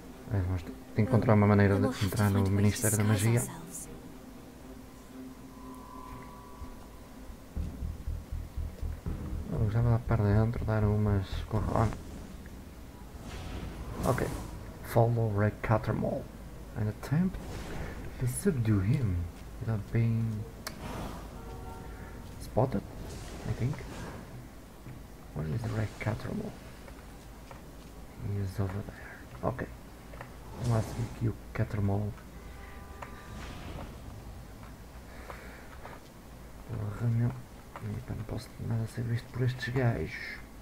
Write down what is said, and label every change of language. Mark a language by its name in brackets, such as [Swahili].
[Portuguese] Vamos encontrar uma maneira de entrar no Ministério da Magia. Já vou lá para dentro, dar umas com Ron. [English] Ok. Follow Red Cuttermole. An attempt to subdue him without being spotted, I think. Where is the Red Cuttermole? He is over there. Ok. [Portuguese] Vamos lá seguir o Cuttermole. Porra, não. Epa, não posso nada ser visto por estes gajos.